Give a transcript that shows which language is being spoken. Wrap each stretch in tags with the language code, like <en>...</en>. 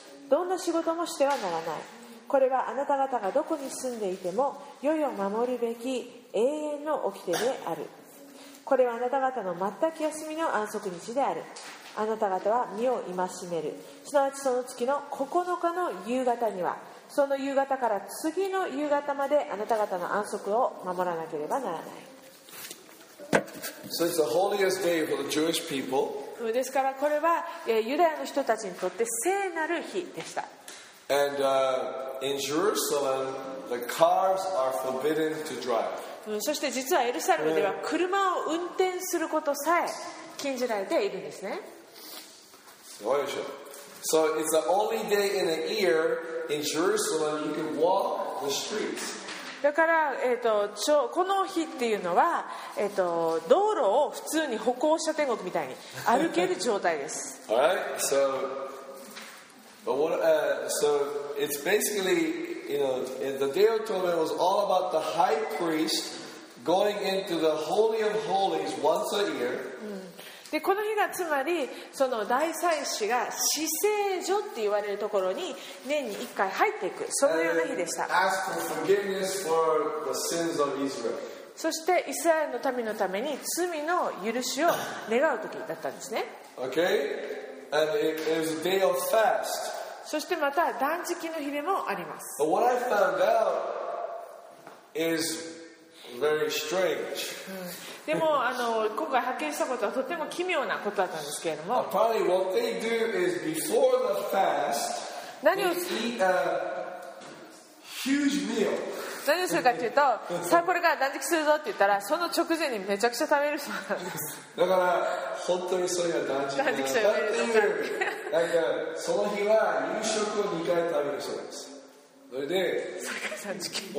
<ja>どんな仕事もしてはならない。これはあなた方がどこに住んでいても世々守るべき永遠の掟である。これはあなた方の全く休みの安息日である。あなた方は身を戒める、すなわちその月の9日の夕方には、その夕方から次の夕方まであなた方の安息を守らなければならない。</ja> <en>So it's the holiest day for the Jewish people.</en> <ja>ですからこれはユダヤの人たちにとって聖なる日でした。</ja> <en>And, in Jerusalem, the cars are forbidden to drive.</en> <ja>そして実はエルサレムでは車を運転することさえ禁じられているんですね。すごいでしょ。</ja> <en>So it's the only day in a year in Jerusalem you can walk the streets.</en> <ja>だから、この日っていうのは、道路を普通に歩行者天国みたいに歩ける状態です。</ja> <en>All right, so... But what, so it's basically, you know, in the Day of Atonement was all about the high priest going into the Holy of Holies once a year.</en> <ja>で、この日がつまりその大祭司が至聖所って言われるところに年に一回入っていく、そのような日でした。</ja> <en>And ask for forgiveness for the sins of Israel.</en> <ja>そしてイスラエルの民のために罪の許しを願う時だったんですね。</ja> <en>Okay. And it is a day of fast.</en> <ja>そしてまた断食の日でもあります。</ja> <en>But what I found out is very strange.</en> <ja>でも今回発見したことはとても奇妙なことだったんですけれども、</ja> <en>Apparently what they do is before the fast, they eat a huge meal.</en> <ja>何をするかというとさあこれから断食するぞって言ったらその直前にめちゃくちゃ食べるそうなんです。だから本当にそれは断食断食者呼べるそうなんだから、その日は夕食を2回食べるそうです。それでそれから断食、</ja>